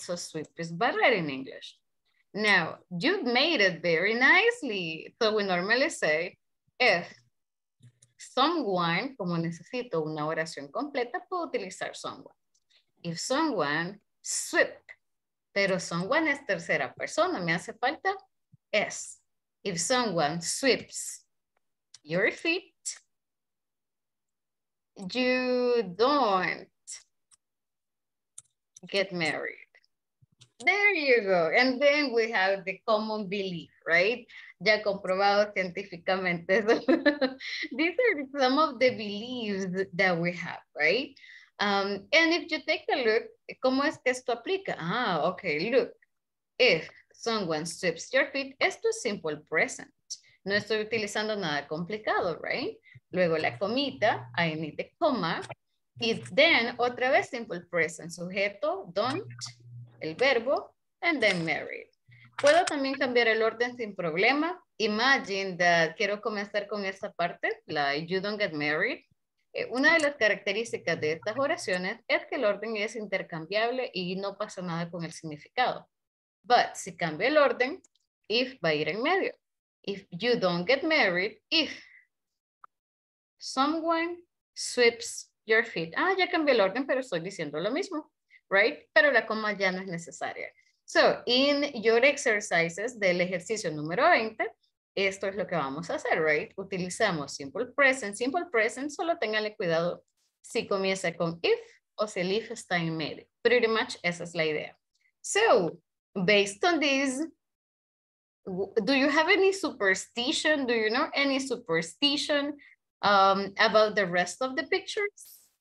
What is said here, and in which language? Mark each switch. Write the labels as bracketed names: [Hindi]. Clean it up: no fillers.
[English] So, sweep is barrer in English. Now, you made it very nicely. So, we normally say, if someone, [Spanish] como necesito una oración completa, puedo utilizar someone. [English] If someone sweep, [Spanish] pero someone es tercera persona, me hace falta S. [English] If someone sweeps your feet, you don't get married. There you go. And then we have the common belief, right? [Spanish] Ya comprobado científicamente. [English] These are some of the beliefs that we have, right? And if you take a look, [Spanish] ¿cómo es que esto aplica? [English] Ah, okay, look. If someone sweeps your feet, [Spanish] esto es [English] simple present. [Spanish] No estoy utilizando nada complicado, right? Luego la comita, [English] I need the comma. Y then, [Spanish] otra vez, [English] simple present. [Spanish] Sujeto, [English] don't, [Spanish] el verbo, [English] and then married. [Spanish] Puedo también cambiar el orden sin problema. [English] Imagine that [Spanish] quiero comenzar con esta parte, la [English] you don't get married. [Spanish] Una de las características de estas oraciones es que el orden es intercambiable y no pasa nada con el significado. But si cambio el orden, if va a ir en medio. [English] If you don't get married, if someone sweeps your feet. [Spanish] Ah, ya cambié el orden, pero estoy diciendo lo mismo, right? Pero la coma ya no es necesaria. [English] So, in your exercises [Spanish] del ejercicio número 20, esto es lo que vamos a hacer, right? Utilizamos simple present. Simple present, solo ténganle cuidado si comienza con if o si el if está en medio. [English] Pretty much, [Spanish] esa es la idea. [English] So, based on this, do you have any superstition? Do you know any superstition about the rest of the pictures?